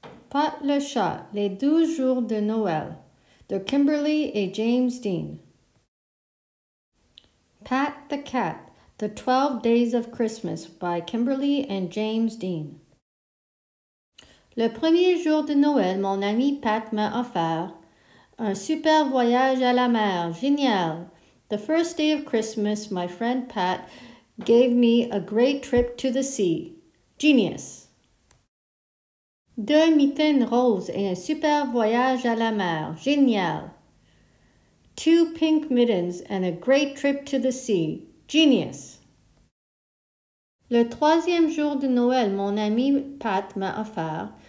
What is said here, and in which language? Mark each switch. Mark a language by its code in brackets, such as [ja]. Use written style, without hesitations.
[fr] Pas le chat, les 12 jours de Noël, de Kimberly et James Dean. [en] Pat the Cat, the 12 Days of Christmas by Kimberly and James Dean. [fr] Le premier jour de Noël, mon ami Pat m'a offert un super voyage à la mer, génial. [en] The first day of Christmas, my friend Pat gave me a great trip to the sea, genius. [fr] Deux mitaines roses et un super voyage à la mer, génial. [en] Two pink mittens and a great trip to the sea, genius. [fr] Le troisième jour de Noël, mon ami Pat m'a offert.